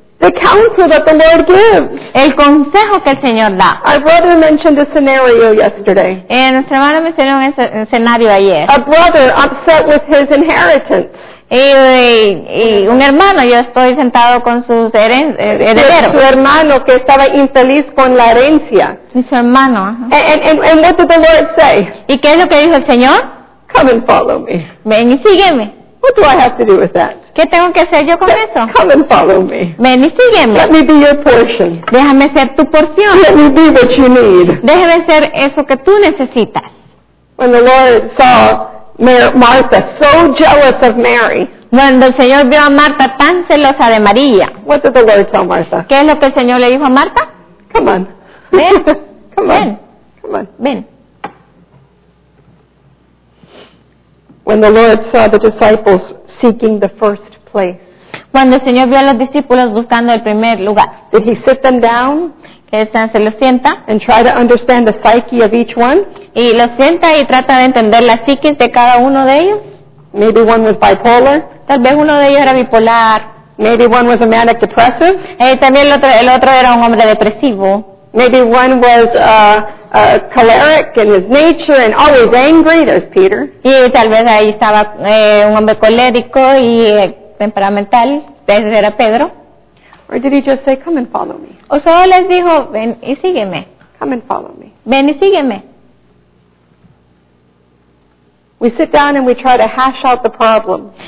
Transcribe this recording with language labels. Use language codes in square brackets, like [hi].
[en] The counsel that the Lord gives. [es] El consejo que el Señor da. [en] Our brother mentioned a scenario yesterday. [es] Nuestro hermano mencionó un escenario ayer. [en] A brother upset with his inheritance. [es] Y un hermano, yo estoy sentado con sus herederos. [en] Su hermano que estaba infeliz con la herencia. [es] Y su hermano. [en] And what did the Lord say? [es] ¿Y qué es lo que dijo el Señor? [en] Come and follow me. [es] Ven y sígueme. [en] What do I have to do with that? [es] ¿Qué tengo que hacer yo con eso? [en] Come and follow me. [es] Ven y sígueme. [en] Let me be your portion. [es] Déjame ser tu porción. [en] Let me be what you need. [es] Déjame ser eso que tú necesitas. [en] When the Lord saw Martha so jealous of Mary. [es] Cuando el Señor vio a Marta tan celosa de María. [en] What did the Lord tell Martha? [es] ¿Qué es lo que el Señor le dijo a Marta? [en] Come on. [es] Ven. [en] Come on. [es] Ven. [en] Come on. [es] Ven. [en] When the Lord saw the disciples seeking the first place. [es] Cuando el Señor vio a los discípulos buscando el primer lugar. [en] Did he sit them down? [es] Se lo sienta. [en] And try to understand the psyche of each one. [es] Y lo sienta y trata de entender la psique de cada uno de ellos. [en] Maybe one was bipolar. [es] Tal vez uno de ellos era bipolar. [en] Maybe one was a manic depressive. [es] También el otro era un hombre depresivo. [en] Maybe one was a choleric in his nature and always angry. There's Peter. [es] Y tal vez ahí estaba un hombre colérico y temperamental. Ese era Pedro. [en] Or did he just say, come and follow me? [es] O solo les dijo, ven y sígueme. [en] Come and follow me. [es] Ven y sígueme. [en] We sit down and we try to hash out the problem.